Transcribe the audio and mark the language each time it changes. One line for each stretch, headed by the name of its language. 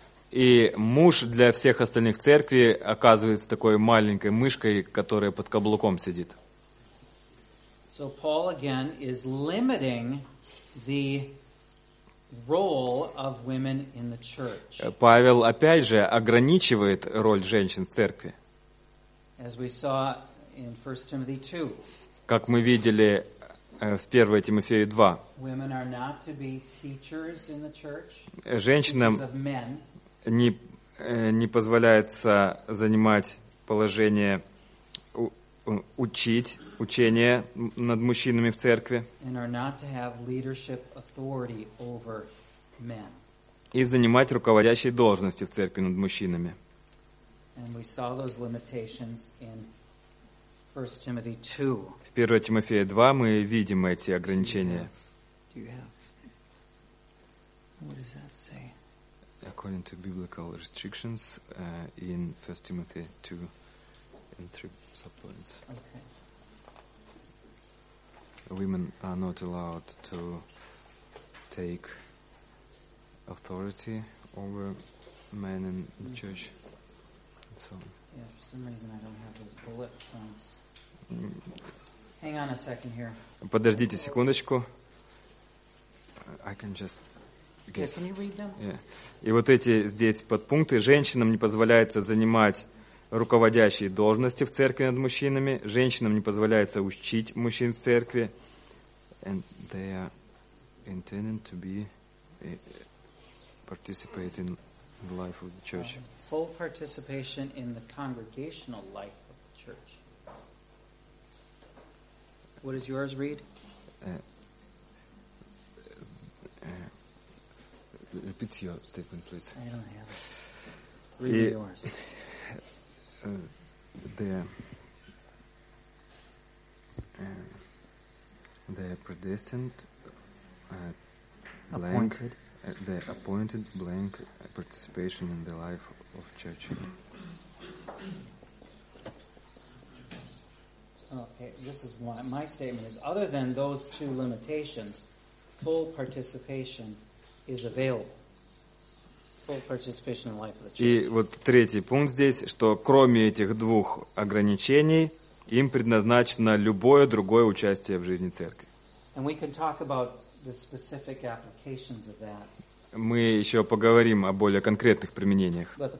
Russian: И муж для всех остальных в церкви оказывается такой маленькой мышкой, которая под каблуком сидит.
English: So Paul again is limiting the role of women in the church.
Russian: Павел опять же ограничивает роль женщин в церкви.
English: As we saw in 1 Timothy 2.
Russian: Как мы видели в 1 Тимофею 2.
English: Women are not to be teachers in the church.
Russian: Женщинам не позволяется занимать положение учить учение над мужчинами в церкви
English: and are not to have leadership authority over men.
Russian: И занимать руководящие должности в церкви над мужчинами.
English: And we saw those limitations in 1 Timothy 2.
Russian: В 1 Тимофея 2 мы видим эти ограничения.
English: Do you have? What does that say? according to biblical restrictions in 1 Timothy 2 and 3 subpoints. Okay. Women are not allowed to take authority over men in the church. So. Yeah, for some reason I don't have those bullet points. Hang on a second here.
Russian: Подождите секундочку.
English: I can just guess. Yeah, can you read them? Yeah.
Russian: И вот эти здесь подпункты. Женщинам не позволяется занимать руководящие должности в церкви над мужчинами. Женщинам не позволяется учить мужчин в церкви.
English: And they are intended to be participating in the life of the church. Full participation in the congregational life of the church. What does yours read? Repeat your statement, please. I don't have it. Read yours. They're predestined, appointed. The appointed blank participation in the life of church. Okay, this is one. My statement is, other than those two limitations, full participation is available. Full participation in the life of the church.
Russian: И вот третий пункт здесь, что кроме этих двух ограничений, им предназначено любое другое участие в жизни церкви.
English: And we can talk about the specific applications of that.
Russian: Мы еще поговорим о более конкретных применениях.